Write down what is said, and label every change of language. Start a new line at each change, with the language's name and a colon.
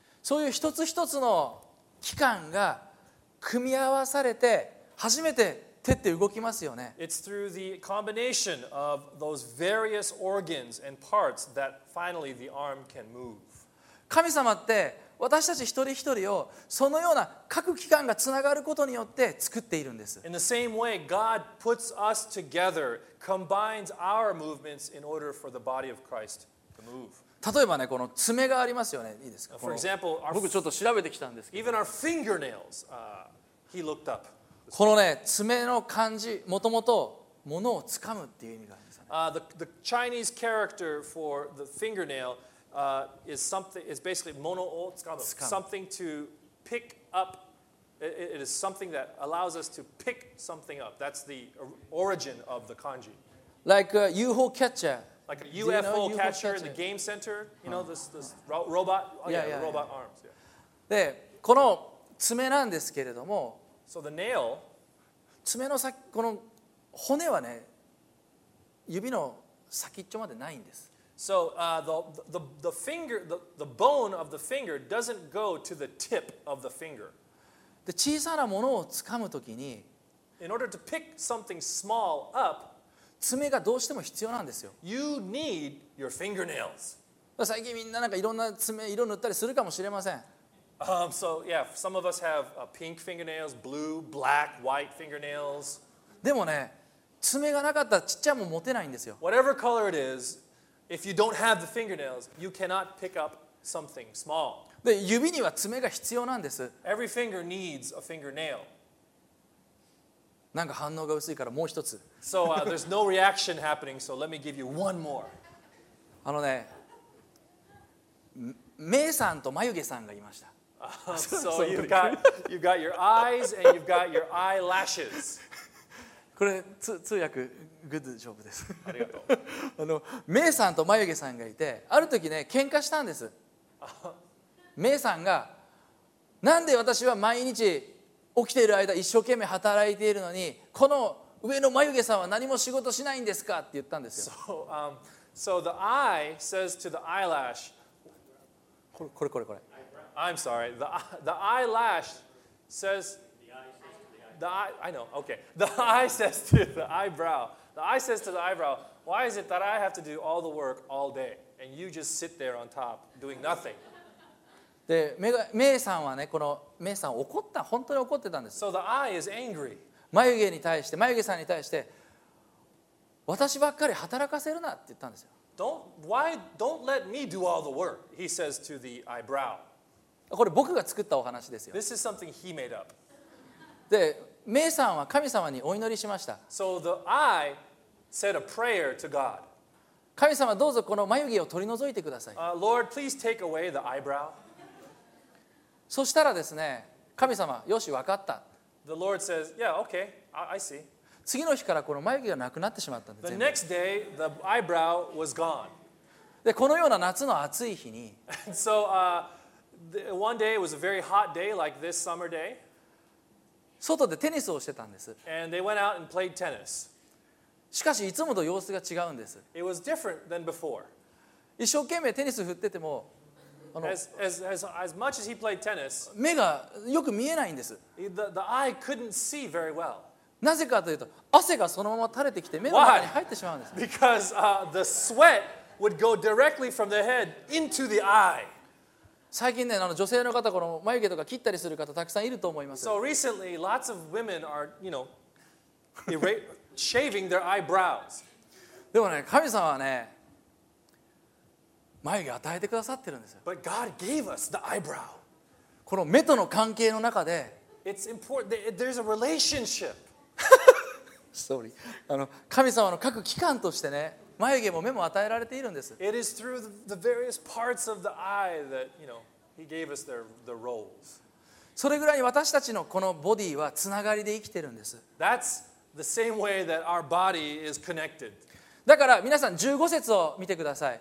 Japanese: そういう一つ一つの器官が組み合わされて初めて手って動きますよね。
English: It's through the combination of those various organs and parts that finally the arm can move.
Japanese: 神様って私たち一人一人をそのような各器官がつながることによって作っているんです。
English: In the same way, God puts us together, combines our movements in order for the body of Christ to move.
Japanese: 例えばね、この爪がありますよね。いいですか。
English: For example,
Japanese: 僕ちょっと調べてきたんですけど、
English: even our fingernails, he looked up.
Japanese: このね、爪の漢字、もともと物を掴むっていう意味があるんですよね。
English: The Chinese character for the fingernail, is basically
Japanese: 物を掴む。
English: Something to pick up. It is something that allows us to pick something up. That's the origin of the kanji. Like a UFO catcher. Like a UFO, you know, UFO catcher in the game center, you know, this robot, robot arms.
Japanese: で、この爪なんですけれども、
English: So the nail,
Japanese: 爪の先、この骨はね、指の先っちょまでないんです。
English: So the bone of the finger doesn't go to the tip of the finger.
Japanese: で、小さなものを掴むときに、
English: In order to pick something small up,
Japanese: 爪がどうしても必要なんですよ。
English: You need your fingernails.
Japanese: 最近みんななんかいろんな爪色塗ったりするかもしれません。
English: So yeah, some of us have pink fingernails, blue, black, white fingernails.
Japanese: でもね、爪がなかったらちっちゃいも持てないんですよ。
English: Whatever color it is, if you don't have the fingernails, you cannot pick up something small.
Japanese: で、指には爪が必要なんです。
English: Every finger needs a fingernail.
Japanese: なんか反応が薄いからもう一つ。
English: So, there's no reaction happening, so let me give you one more.
Japanese: あのね、メイさんと眉毛さんがいました。
English: So you've got your eyes and you've got your eyelashes.
Japanese: これ通訳グッドジョブです。ありがとう。あのメイさんと眉毛さんがいて、ある時ね喧嘩したんです。メイさんがなんで私は毎日起きている間一生懸命働いているのにこの上の眉毛さんは何も仕事しないんですかって言ったんですよ。
English: So the eye says to the eyelash,
Japanese: これ
English: I'm sorry, the eyelash says the eye, I know, okay, the eye says to the eyebrow, the eye says to the eyebrow, why is it that I have to do all the work all day and you just sit there on top doing nothing?
Japanese: で、メイさんはね、このメイさん怒った、本当に怒ってたんです。
English: So the eye is angry.
Japanese: 眉毛に対して、眉毛さんに対して、私ばっかり働かせるなって言ったんですよ。
English: Don't let me do all the work, he says to the eyebrow.
Japanese: これ僕が作ったお話ですよ。
English: This is something he made up.
Japanese: で、メイさんは神様にお祈りしました。
English: So the eye said a prayer to God.
Japanese: 神様、どうぞこの眉毛を取り除いてください。
English: Lord, please take away the eyebrow.
Japanese: そしたらですね、神様、よし、分かった。
English: The Lord says, yeah, okay, I see.
Japanese: 次の日からこの眉毛がなくなってしまったんです。
English: The next day, the eyebrow was gone.
Japanese: で、このような夏の暑い日に、
English: So, one day it was a very hot day, like this summer day.
Japanese: 外でテニスをしてたんです。
English: And they went out and played tennis.
Japanese: しかし、いつもと様子が違うんです。
English: It was different than before.
Japanese: 一生懸命テニス振ってても、
English: As much as he played tennis,
Japanese: 目がよく見えないんです。
English: The eye couldn't see very well.
Japanese: なぜかというと、汗がそのまま垂れてきて目の中に入ってしまうんです。
English: Why? Because the sweat would go directly from the head into the eye.
Japanese: 最近ね、あの女性の方、この眉毛とか切ったりする方たくさんいると思います。
English: So recently, lots of women are, you know, shaving their eyebrows.
Japanese: でもね、神様はね。眉毛与えてくださってるんですよ。
English: But God gave us the eyebrow.
Japanese: この目との関係の中で、
English: It's important. There's a relationship. Sorry.
Japanese: あの神様の各器官としてね、眉毛も目も与えられているんです。
English: It is through the various parts of the eye that, you know, He gave us their roles.
Japanese: それぐらいに私たちのこのボディはつながりで生きてるんです。
English: That's the same way that our body is connected.
Japanese: だから皆さん15節を見てください。